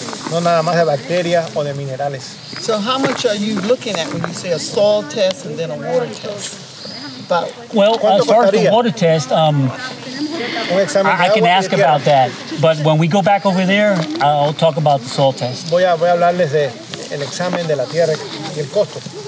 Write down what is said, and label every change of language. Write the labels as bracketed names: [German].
[Spanish] No nada más de bacterias o de minerales. [English] So how much are you looking at when you say a soil test and then a water test? Well, as far as the water test, I can ask about that. But when we go back over there, I'll talk about the soil test. [Spanish] Voy a hablarles de el examen de la tierra y el costo.